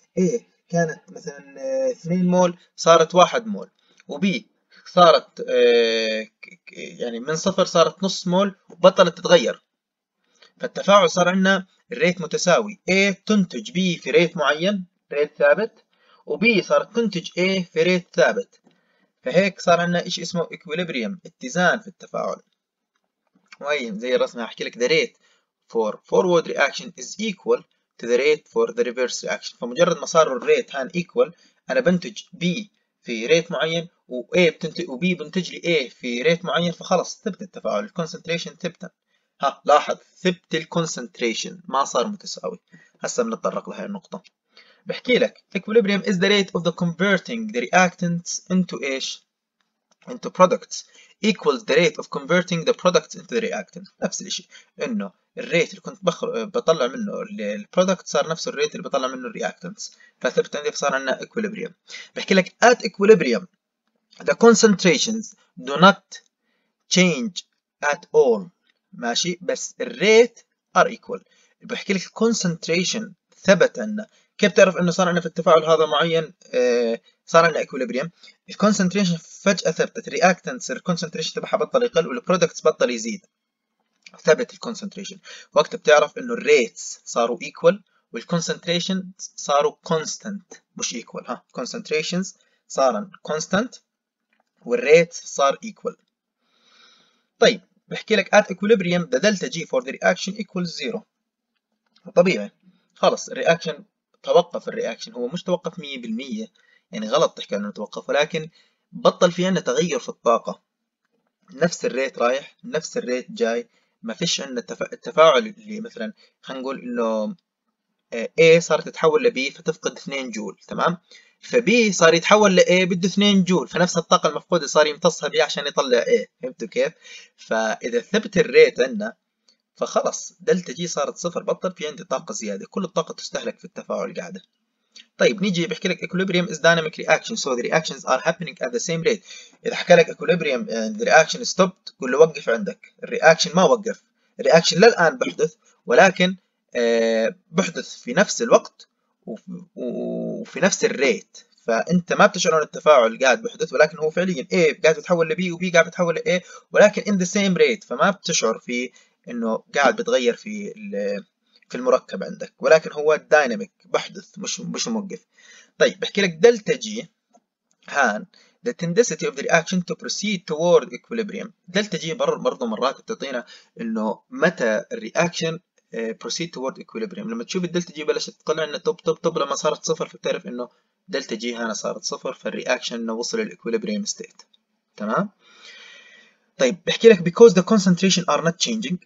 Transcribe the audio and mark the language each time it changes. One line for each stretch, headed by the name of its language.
Arabic: مثلا A كانت مثلا 2 مول صارت 1 مول، و B صارت يعني من صفر صارت نص مول، بطلت تتغير. فالتفاعل صار عندنا الريت متساوي، A تنتج B في ريت معين ريت ثابت، و B صارت تنتج A في ريت ثابت. فهيك صار عندنا شيء اسمه equilibrium، اتزان في التفاعل. وهي زي الرسمة احكي لك
English: the rate for forward reaction is equal to the rate for the reverse reaction.
Arabic: فمجرد ما صار الريت هان equal، انا بنتج B في ريت معين و A بتنتج و B بنتج لي A في ريت معين، فخلص ثبت التفاعل. الكونسنتريشن ثبت، ها لاحظ ثبت الكونسنتريشن ما صار متساوي. هسه بنتطرق لهي النقطة. بحكي لك
English: equilibrium is the rate of the converting the reactants into
Arabic: ايش
English: into products equals the rate of converting the products into the reactants.
Arabic: نفس الشيء، انه الريت اللي كنت بطلع منه البرودكت صار نفس الريت اللي بطلع منه الرياكتنتس، فثبت عندي فصار عندنا equilibrium. بحكي لك
English: at equilibrium the concentrations do not change at all،
Arabic: ماشي، بس
English: الريت are equal.
Arabic: بحكي لك concentration ثبت عندنا. كيف تعرف انه صار عندنا في التفاعل هذا معين صار عندنا equilibrium؟ الكونسنتريشن فجأة ثبتت، الرياكتنتس الكونسنتريشن تبعها بطل يقل والبرودكتس بطل يزيد، ثبت الكونسنتريشن. وقتها بتعرف انه الريتس صاروا ايكوال والكونسنتريشن صاروا كونستانت مش ايكوال، ها كونسنتريشنز صارن كونستانت والريت صار ايكوال. طيب بحكي لك
English: at equilibrium the delta G for the reaction equals zero.
Arabic: طبيعي خلص الرياكشن توقف، الرياكشن هو مش توقف 100%، يعني غلط تحكي انه توقف، ولكن بطل في عندنا تغير في الطاقة، نفس الريت رايح نفس الريت جاي، ما فيش عندنا التفاعل اللي مثلا خلينا نقول انه A صارت تتحول ل B فتفقد 2 جول، تمام؟ ف B صار يتحول ل A بده 2 جول، فنفس الطاقة المفقودة صار يمتصها B عشان يطلع A، فهمتوا كيف؟ فإذا ثبت الريت عندنا فخلص دلتا جي صارت صفر، بطل في عندي طاقة زيادة، كل الطاقة تستهلك في التفاعل قاعدة. طيب نيجي بحكي لك
English: equilibrium is dynamic reaction so the reactions are happening at the same rate.
Arabic: إذا حكى لك
English: equilibrium and the reaction stopped
Arabic: قول له وقف عندك، الرياكشن ما وقف، الرياكشن للآن بحدث ولكن بحدث في نفس الوقت وفي نفس الريت، فأنت ما بتشعر أن التفاعل قاعد بحدث ولكن هو فعليا A قاعد بتحول ل B و B قاعد بتحول ل A ولكن
English: in the same rate،
Arabic: فما بتشعر في أنه قاعد بتغير في المركب عندك، ولكن هو دايناميك بحدث مش موقف. طيب بحكي لك دلتا جي هان
English: the tendency of the reaction to proceed toward equilibrium.
Arabic: دلتا جي برضو مرات بتعطينا انه متى الرياكشن
English: proceed toward equilibrium،
Arabic: لما تشوف الدلتا جي بلشت تطلع لنا توب توب توب لما صارت صفر، فبتعرف انه دلتا جي هان صارت صفر، فالرياكشن انه وصل للإكوليبريم ستيت، تمام؟ طيب بحكي لك
English: because the concentration are not changing.